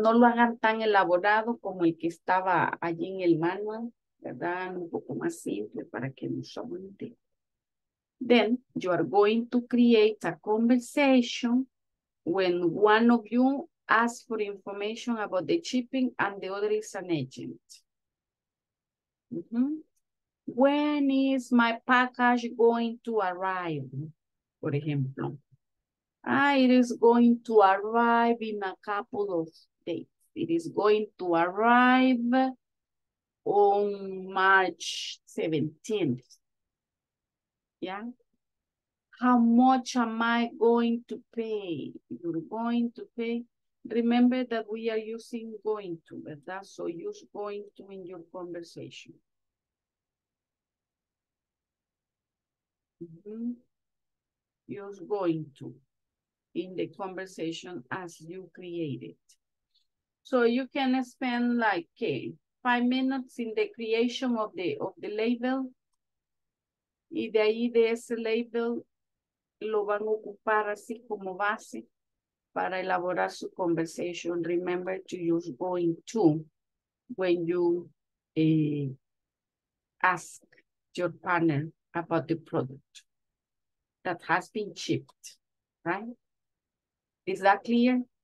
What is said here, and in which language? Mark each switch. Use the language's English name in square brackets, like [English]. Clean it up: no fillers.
[Spanish] No lo hagan tan elaborado como el que estaba allí en el manual, ¿verdad? Un poco más simple para que no se olvide. [English] Then you are going to create a conversation when one of you asks for information about the shipping and the other is an agent. Mm-hmm. When is my package going to arrive? For example, it is going to arrive in a couple of days. It is going to arrive on March 17th. Yeah. How much am I going to pay? You're going to pay. Remember that we are using going to, ¿verdad? So use going to in your conversation. Mm-hmm. Use going to in the conversation as you create it. So you can spend like 5 minutes in the creation of the label. [Spanish] Y de ahí de ese label lo van a ocupar así como base para elaborar su conversation. [English] Remember to use going to when you ask your partner about the product that has been shipped, right? Is that clear?